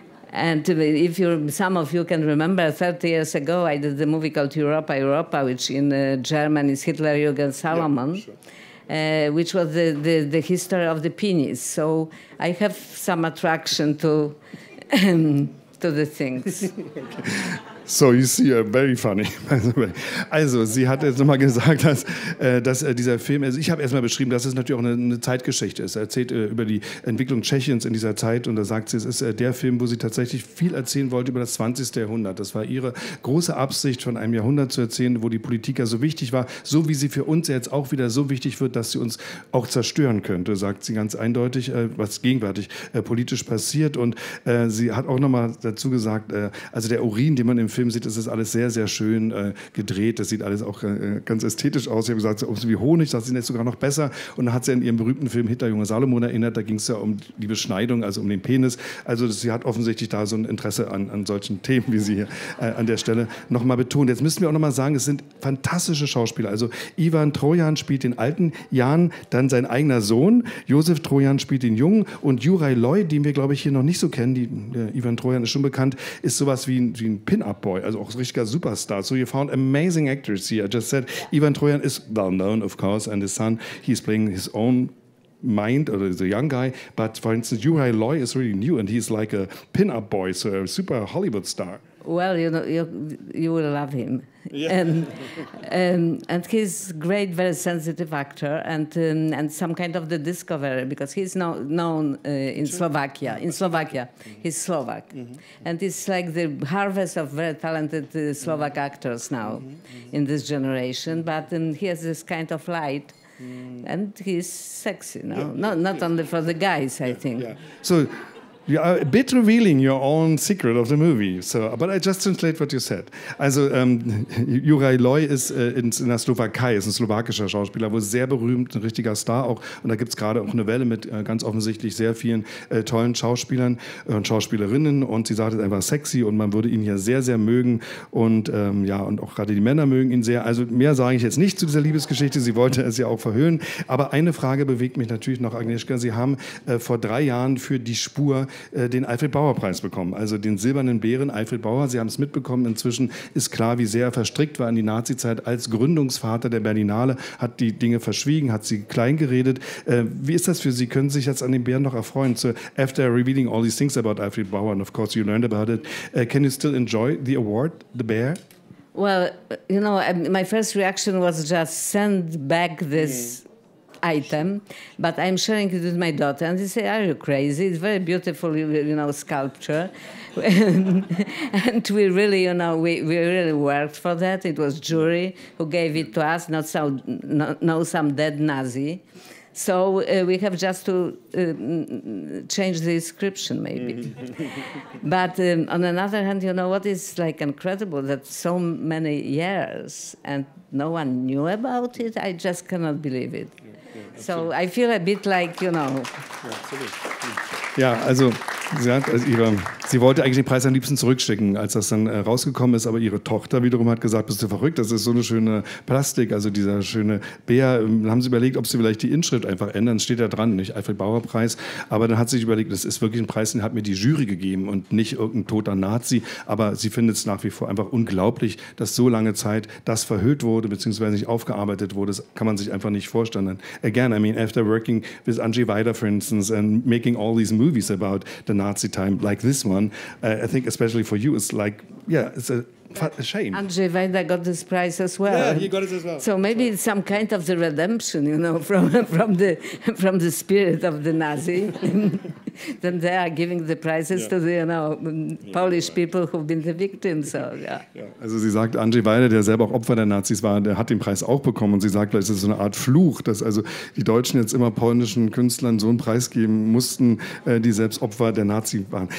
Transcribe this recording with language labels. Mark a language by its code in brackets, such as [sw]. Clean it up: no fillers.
[en] And if you, some of you can remember, 30 years ago I did the movie called Europa Europa, which in German is Hitlerjugend Salomon. Yeah, sure. Which was the history of the penis. So I have some attraction to the things. So, you see, very funny, by the way. [de] Also, sie hat jetzt nochmal gesagt, dass dieser Film, also ich habe erstmal beschrieben, dass es natürlich auch eine Zeitgeschichte ist. Er erzählt über die Entwicklung Tschechiens in dieser Zeit, und da sagt sie, es ist der Film, wo sie tatsächlich viel erzählen wollte über das 20. Jahrhundert. Das war ihre große Absicht, von einem Jahrhundert zu erzählen, wo die Politik ja so wichtig war, so wie sie für uns jetzt auch wieder so wichtig wird, dass sie uns auch zerstören könnte, sagt sie ganz eindeutig, was gegenwärtig politisch passiert. Und sie hat auch nochmal dazu gesagt, also der Urin, den man im Film Film sieht, ist es alles sehr, sehr schön gedreht. Das sieht alles auch ganz ästhetisch aus. Sie haben gesagt, so wie Honig, das ist jetzt sogar noch besser. Und dann hat sie an ihren berühmten Film Hitler, Junge Salomon erinnert. Da ging es ja um die Beschneidung, also um den Penis. Also sie hat offensichtlich da so ein Interesse an solchen Themen, wie sie hier an der Stelle nochmal betont. Jetzt müssen wir auch nochmal sagen, es sind fantastische Schauspieler. Also Ivan Trojan spielt den alten Jan, dann sein eigener Sohn. Josef Trojan spielt den Jungen. Und Juraj Loy, den wir, glaube ich, hier noch nicht so kennen, Ivan Trojan ist schon bekannt, ist sowas wie ein Pin-Up-Boy, also auch ein richtiger Superstar. [en] So you found amazing actors here. I just said, Ivan Trojan is well known, of course, and his son, he's playing his own mind, or the young guy, but for instance, Juraj Loy is really new and he's like a pin-up boy, so a super Hollywood star. Well, you know, you will love him. Yeah. And he's great, very sensitive actor and some kind of the discoverer, because he's now known in Slovakia. In Slovakia, he's Slovak. Mm-hmm. And it's like the harvest of very talented Slovak mm-hmm. actors now mm-hmm. in this generation. But he has this kind of light. Mm. And he's sexy, no? Yeah. Not only for the guys, I think. Yeah. So you are a bit revealing your own secret of the movie. So, but I just translate what you said. [de] Also, Juraj Loy ist in der Slowakei, ist ein slowakischer Schauspieler, wo sehr berühmt, ein richtiger Star auch. Und da gibt es gerade auch eine Welle mit ganz offensichtlich sehr vielen tollen Schauspielern und Schauspielerinnen. Und sie sagt, es ist einfach sexy und man würde ihn hier sehr, sehr mögen. Und ja, und auch gerade die Männer mögen ihn sehr. Also mehr sage ich jetzt nicht zu dieser Liebesgeschichte. Sie wollte es ja auch verhüllen. Aber eine Frage bewegt mich natürlich noch, Agnieszka. Sie haben vor 3 Jahren für Die Spur den Alfred-Bauer-Preis bekommen, also den silbernen Bären Alfred Bauer. Sie haben es mitbekommen, inzwischen ist klar, wie sehr er verstrickt war in die Nazi-Zeit als Gründungsvater der Berlinale, hat die Dinge verschwiegen, hat sie kleingeredet. Wie ist das für Sie? Können Sie sich jetzt an den Bären noch erfreuen? [en] So, after revealing all these things about Alfred Bauer, and of course you learned about it, can you still enjoy the award, the bear? Well, you know, my first reaction was just send back this item, but I'm sharing it with my daughter, and they say, are you crazy? It's very beautiful, you know, sculpture. And we really, you know, we really worked for that. It was jury who gave it to us, not some dead Nazi. So we have just to change the inscription, maybe. But on another hand, you know, what is like incredible that so many years and no one knew about it? I just cannot believe it. So I feel a bit like, you know. [de] Ja, also sie hat, sie wollte eigentlich den Preis am liebsten zurückschicken, als das dann rausgekommen ist, aber ihre Tochter wiederum hat gesagt, bist du verrückt, das ist so eine schöne Plastik, also dieser schöne Bär. Dann haben sie überlegt, ob sie vielleicht die Inschrift einfach ändern, steht da dran, nicht Alfred-Bauer-Preis. Aber dann hat sie sich überlegt, das ist wirklich ein Preis, den hat mir die Jury gegeben und nicht irgendein toter Nazi. Aber sie findet es nach wie vor einfach unglaublich, dass so lange Zeit das verhüllt wurde, beziehungsweise nicht aufgearbeitet wurde. Das kann man sich einfach nicht vorstellen. [en] Again, I mean, after working with Angie Weider, for instance, and making all these movies about the Nazi time, like this one, I think especially for you, it's like, yeah, it's a shame. Andrzej Wajda got this prize as well. Yeah, he got it as well. So maybe it's some kind of the redemption, you know, from the spirit of the Nazi. Then they are giving the prizes to the, you know, Polish people who've been the victims. So, [de] Also sie sagt, Andrzej Wajda, der selber auch Opfer der Nazis war, der hat den Preis auch bekommen. Und sie sagt, es ist so eine Art Fluch, dass also die Deutschen jetzt immer polnischen Künstlern so einen Preis geben mussten, die selbst Opfer der Nazis waren.